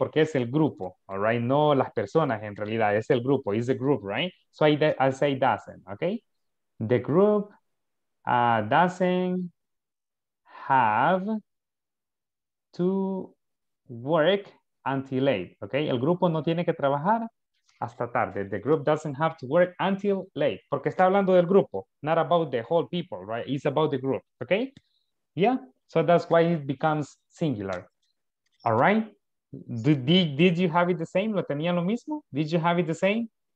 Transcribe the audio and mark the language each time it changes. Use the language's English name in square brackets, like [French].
[Spanish] Porque es el grupo, all right? No las personas en realidad, es el grupo, [English] it's a group, right? So I say doesn't, okay? The group doesn't have to work until late, okay? [Spanish] El grupo no tiene que trabajar hasta tarde. [English] The group doesn't have to work until late. [Spanish] Porque está hablando del grupo, [English] not about the whole people, right? It's about the group, okay? Yeah, so that's why it becomes singular. All right, did you have it the same? [Spanish] ¿Lo tenía lo mismo? [English] Did you have it the same?